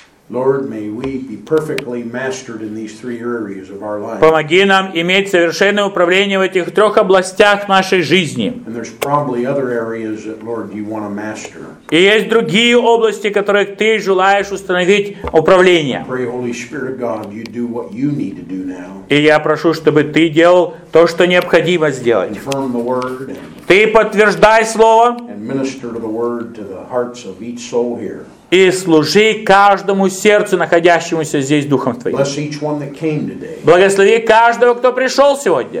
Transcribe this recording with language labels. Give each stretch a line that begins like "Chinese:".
English: Lord, may we be perfectly mastered in these three areas of our life.
Russian: Помоги нам иметь совершенное управление в этих трех областях нашей жизни.
English: And there's probably other areas that, Lord, you want to master.
Russian: И есть другие области, которых ты желаешь установить управление.
English: Pray, Holy Spirit of God, you do what you need to do now.
Russian: И я прошу, чтобы ты делал то, что необходимо сделать.
English: Confirm the word.
Russian: Ты подтверждай слово.
English: And minister the word to the hearts of each soul here.
Russian: И служи каждому сердцу, находящемуся здесь Духом Твоим.
English: Bless each one that came today.
Russian: Благослови каждого, кто пришел сегодня.